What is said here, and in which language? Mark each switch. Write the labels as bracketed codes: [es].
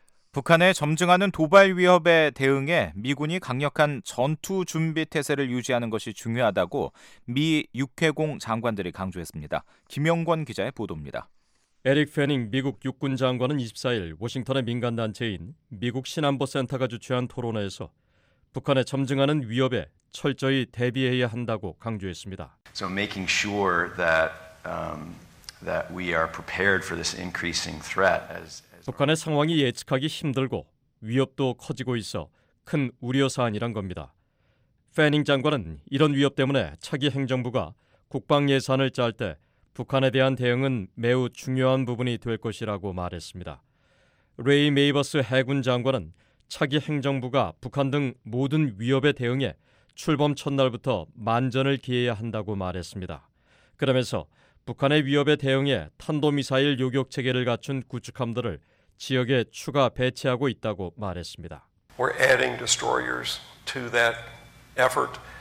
[ko] 북한의 점증하는 도발 위협에 대응해 미군이 강력한 전투 준비 태세를 유지하는 것이 중요하다고 미 육해공 장관들이 강조했습니다. 김영권 기자의 보도입니다. 에릭 페닝 미국 육군 장관은 24일 워싱턴의 민간단체인 미국 신안보센터가 주최한 토론회에서 북한의 점증하는 위협에 철저히 대비해야 한다고 강조했습니다. [en] So making sure that that we are prepared for this increasing threat as [ko] 북한의 상황이 예측하기 힘들고 위협도 커지고 있어 큰 우려 사안이란 겁니다. 패닝 장관은 이런 위협 때문에 차기 행정부가 국방 예산을 짤 때 북한에 대한 대응은 매우 중요한 부분이 될 것이라고 말했습니다. 레이 메이버스 해군 장관은 차기 행정부가 북한 등 모든 위협에 대응해 출범 첫날부터 만전을 기해야 한다고 말했습니다. 그러면서 북한의 위협에 대응해 탄도미사일 요격 체계를 갖춘 구축함들을 지역에 추가 배치하고 있다고 말했습니다. [en] We're adding destroyers to that effort.